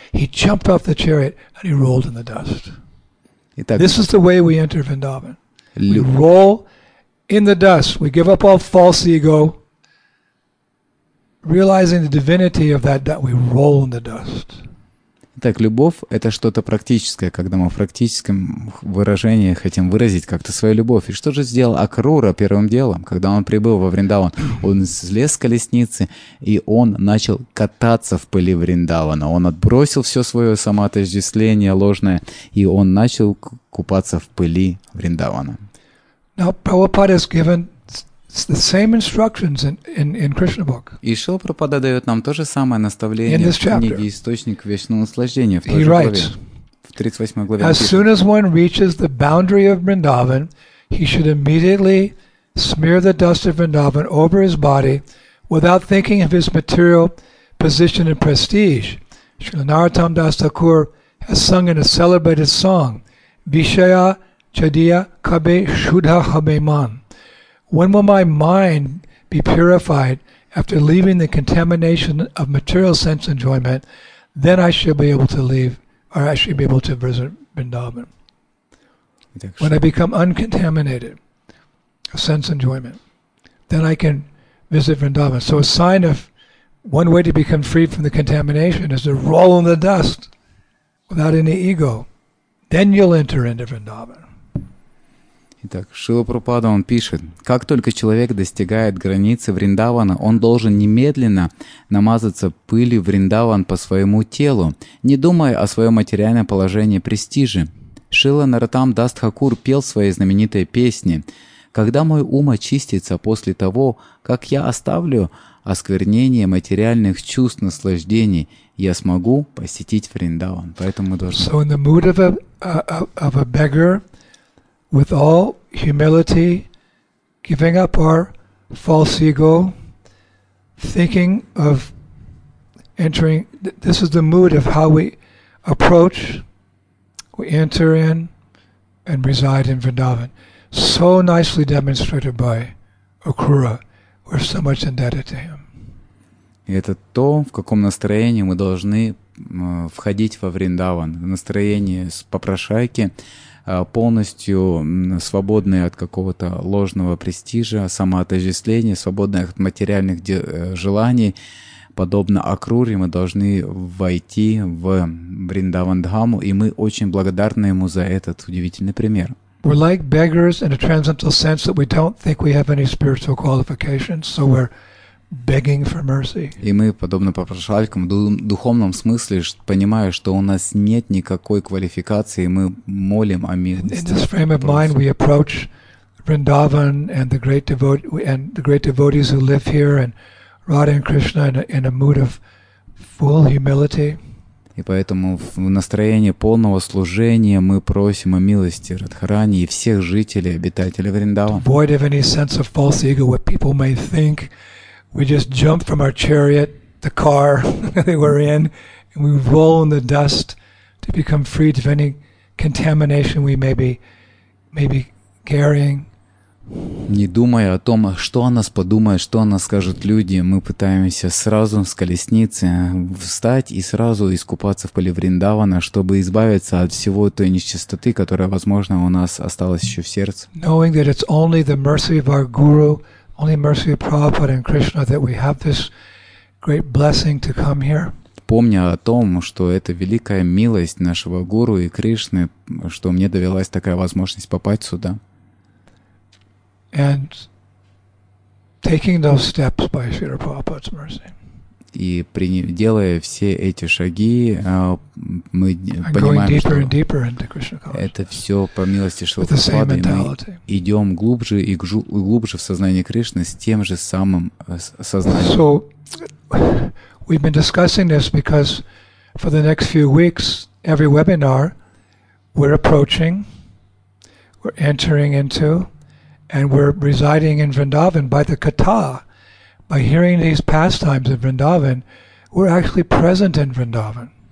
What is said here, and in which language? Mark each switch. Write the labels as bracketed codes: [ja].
[en] He jumped off the chariot and he rolled in the dust. [ru] Итак, [en] this is the way we enter Vrindavan. We roll in the dust. We give up all false ego. Realizing the divinity of that we roll in the dust. [ru] Так, любовь — это что-то практическое, когда мы в практическом выражении хотим выразить как-то свою любовь. И что же сделал Акрура первым делом, когда он прибыл во Вриндаван? Он слез с колесницы, и он начал кататься в пыли Вриндавана. Он отбросил все свое самоотождествление ложное, и он начал купаться в пыли Вриндавана. [en] Now, Prabhupada has given the same instructions in Krishna book. [ru] И Шрила Прабхупада дает нам то же самое наставление в книге «Источник вечного наслаждения» в той же главе. [en] He writes, [ru] в 38 главе. [en] As soon as one reaches the boundary of Vrindavan, he should immediately smear the dust of Vrindavan over his body without thinking of his material position and prestige. Srila Narottam Das Thakur has sung in a celebrated song, Vishaya Chadiya Kabe Shudha Habe Man. When will my mind be purified after leaving the contamination of material sense enjoyment? Then I shall be able to leave, or I shall be able to visit Vrindavan. When I become uncontaminated of sense enjoyment, then I can visit Vrindavan. So a sign of One way to become free from the contamination is to roll in the dust without any ego. Then you'll enter into Vrindavan. [ru] Итак, Шрила Прабхупада, он пишет, как только человек достигает границы Вриндавана, он должен немедленно намазаться пылью Вриндаван по своему телу, не думая о своем материальном положении престижа. Шрила Наратам Дас Тхакур пел свои знаменитые песни. «Когда мой ум очистится после того, как я оставлю осквернение материальных чувств наслаждений, я смогу посетить Вриндаван». Поэтому мы должны... [en] So in the mood of a beggar, with all humility, giving up our false ego, thinking of entering, this is the mood of how we approach, we enter in, and reside in Vrindavan. So nicely demonstrated by Akura, we're so much indebted to him. [ru] Это то, в каком настроении мы должны входить во Вриндаван, в настроении попрошайки, полностью свободные от какого-то ложного престижа, самоотождествления, свободные от материальных желаний, подобно Акруре, мы должны войти в Вриндаван Дхаму, и мы очень благодарны ему за этот удивительный пример. [en] We're like beggars in a transcendental sense that we don't think we have any spiritual qualifications, so we're begging for mercy. [ru] И мы подобно попрошайкам в духовном смысле, понимая, что у нас нет никакой квалификации, мы молим о милости. [en] In this frame of mind, we approach Vrindavan and the great devotees who live here and Radha and Krishna in a mood of full humility. [ru] И поэтому в настроении полного служения мы просим о милости Радхарани и всех жителей, обитателей Вриндавана. [en] Void of any sense of false ego, what people may think. We just jump from our chariot, the car that we're in, and we roll in the dust to become freed of any contamination we may be carrying. [ru] Не думая о том, что о нас подумают, что о нас скажут люди, мы пытаемся сразу с колесницы встать и сразу искупаться в поле Вриндавана, чтобы избавиться от всего той нечистоты, которая, возможно, у нас осталась еще в сердце. [en] Knowing that it's only the mercy of our guru, only mercy of Prabhupada and Krishna that we have this great blessing to come here. [ru] Помня о том, что это великая милость нашего Гуру и Кришны, что мне довелась такая возможность попасть сюда. [en] And taking those steps by Srila Prabhupada's mercy. [ru] И делая все эти шаги, мы понимаем, что это все по милости Шрилы Прабхупады, мы идем глубже и глубже в сознание Кришны с тем же самым сознанием. [en] So, we've been discussing this because for the next few weeks, every webinar, we're approaching, we're entering into, and we're residing in Vrindavan by the katha. By hearing these pastimes in Vrindavan, we're actually present in Vrindavan.